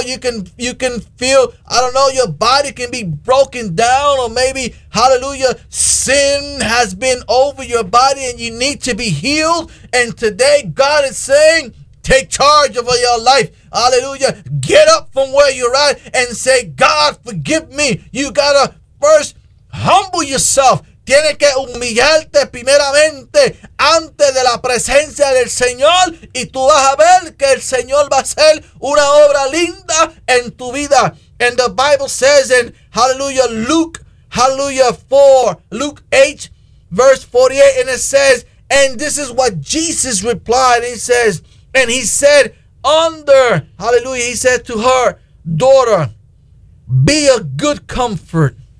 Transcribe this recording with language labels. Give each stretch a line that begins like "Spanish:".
English: You can feel, I don't know, your body can be broken down, or maybe, hallelujah, sin has been over your body and you need to be healed. And today God is saying, take charge of your life. Hallelujah. Get up from where you're at and say, God, forgive me. You gotta first humble yourself.
Spanish: Tienes que humillarte primeramente antes de la presencia del Señor, y tú vas a ver que el Señor va a hacer una obra linda en tu vida.
English: And the Bible says in, hallelujah, Luke, hallelujah, 4, Luke 8, verse 48, and it says, and this is what Jesus replied. He says, and he said, under, hallelujah, he said to her, daughter, be a good comfort.